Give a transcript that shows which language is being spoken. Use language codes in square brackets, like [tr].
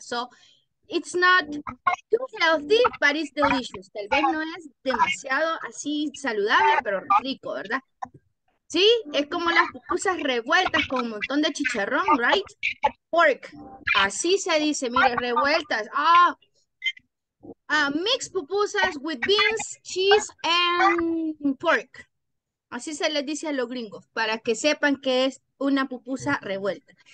[en] So it's not too healthy, but it's delicious. [es] Tal vez no es demasiado así saludable, pero rico, ¿verdad? Sí, es como las pupusas revueltas con un montón de chicharrón, [en] right? Pork, [es] así se dice, mire, revueltas. [en] Ah, mixed pupusas with beans, cheese and pork. [es] Así se les dice a los gringos, para que sepan que es una pupusa revuelta.